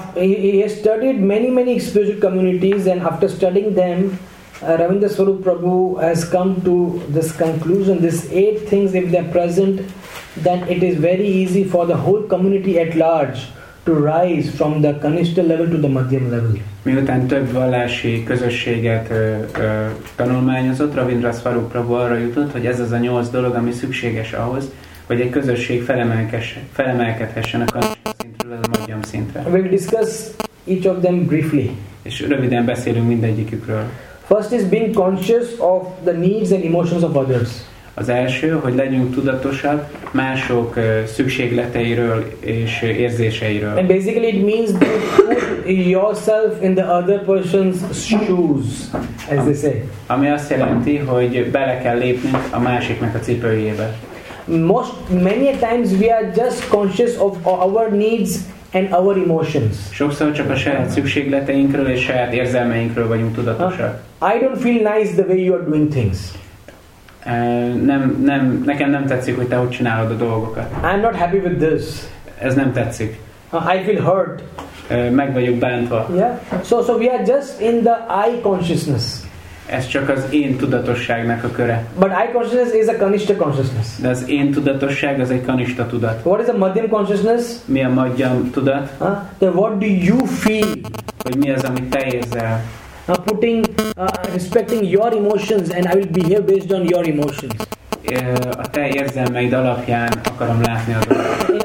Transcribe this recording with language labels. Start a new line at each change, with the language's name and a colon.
English: He studied many spiritual communities, and after studying them, Ravindra Swarup Prabhu has come to this conclusion. These 8 things, if they are present, then it is very easy for the whole community at large to rise from the kanista level to the madhyam level.
Hungarian: Miután több vallási közösséget tanulmányozott, Ravindra Swarup Prabhu arra jutott, hogy ez az a 8 dolog, ami szükséges ahhoz, hogy egy közösség felemelkedhessen a kanista szintről a madhyam szintre.
English: We'll discuss each of them briefly.
Hungarian: És röviden beszélünk mindegyikükről.
English: First is being conscious of the needs and emotions of others.
Hungarian: Az első, hogy legyünk tudatosak mások szükségleteiről és érzéseiről.
English: And basically it means to put yourself in the other person's shoes, as they say.
Hungarian: Ami azt jelenti, hogy bele kell lépnünk a másiknak a cipőjébe.
English: Many times we are just conscious of our needs and our emotions.
Hungarian: Sokszor csak a saját szükségleteinkről és saját érzelmeinkről vagyunk tudatosak.
English: I don't feel nice the way you are doing things.
Hungarian: Nem, nekem nem tetszik, hogy te hogy csinálod a dolgokat.
English: I'm not happy with this.
Hungarian: Ez nem tetszik.
English: I feel hurt.
Hungarian: meg vagyunk bántva.
English: Yeah. So we are just in the I consciousness.
Hungarian: Ez csak az én tudatosságnak a köre.
English: But I consciousness is a kanista consciousness.
Hungarian: De az én tudatosság az egy kanista tudat.
English: What is a madhyam consciousness?
Hungarian: Mi a madhyam tudat?
English: Then what do you feel?
Hungarian: Hogy mi az, amit te érzel?
English: Putting, respecting your emotions, and I will behave based on your emotions.
Hungarian: A te érzelmeid alapján akarom látni a dolgot.